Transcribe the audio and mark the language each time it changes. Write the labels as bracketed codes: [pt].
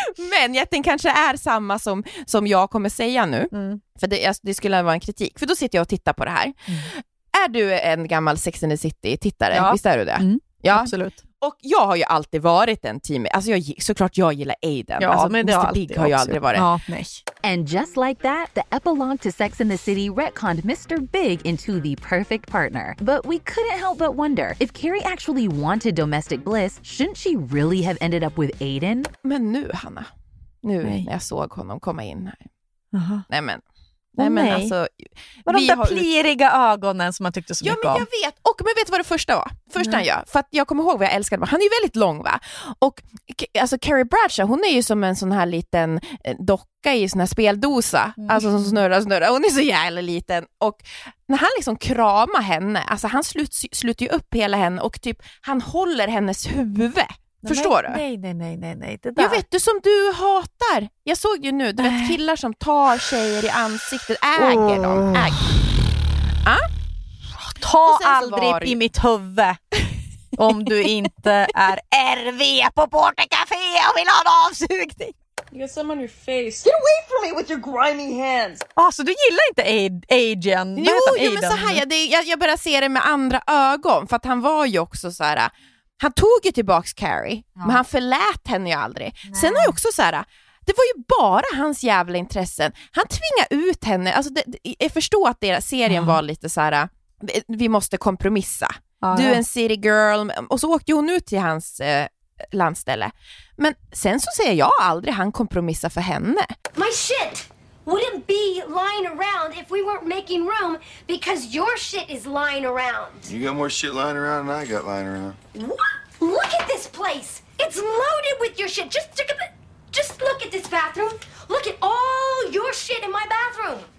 [sv] Men jätten kanske är samma som jag kommer säga nu. Mm. För det skulle vara en kritik. För då sitter jag och tittar på det här. Mm. Är du en gammal Sex and the City-tittare? Ja. Visst är du det? Mm. Ja, absolut. Och jag har ju alltid varit en team. Alltså jag, såklart jag gillar Aiden. Ja, alltså, men det Mr. Big har jag aldrig varit. Ja, nej. [en] And just like that, the epilogue to Sex and the City retconned Mr. Big into the perfect partner. But we couldn't help but wonder, if Carrie actually wanted domestic bliss, shouldn't she really have ended up with Aiden? [sv] Men nu, Hanna. Nu när jag såg honom komma in här. Uh-huh. Nej, men. Nej, men alltså. Var de där pliriga ögonen som man tyckte så mycket om? Ja, men jag vet. Och men vet vad det första var? Första han gör. För att jag kommer ihåg vad jag älskade. Han är ju väldigt lång, va? Och alltså Carrie Bradshaw, hon är ju som en sån här liten docka i sån här speldosa. Mm. Alltså som snurrar och snurrar. Hon är så jävla liten. Och när han liksom kramar henne, alltså han sluter ju upp hela henne och typ han håller hennes huvud. Förstår nej, du? Nej. Det där. Jag vet, du som du hatar. Jag såg ju nu, du vet, killar som tar tjejer i ansiktet, äger dem. Ta aldrig i mitt huvud om du inte är RV på Bortecafé och vill ha en avsugning. [en] You got some on your face. Get away from me with your grimy hands. [sv] Alltså, du gillar inte Aiden? Jo, men så här, jag börjar se det med andra ögon, för att han var ju också så här. Han tog ju tillbaks Carrie, ja. Men han förlät henne ju aldrig. Nej. Sen har ju också så här, det var ju bara hans jävla intressen. Han tvingade ut henne. Alltså jag förstår att deras serien var lite så här, vi måste kompromissa. Ja. Du är en city girl. Och så åkte hon ut till hans landställe. Men sen så säger jag aldrig han kompromissa för henne. [en] My shit wouldn't be lying around if we weren't making room because your shit is lying around. You got more shit lying around than I got lying around. What? Look at this place. It's loaded with your shit. Just look at this bathroom. Look at all your shit in my bathroom.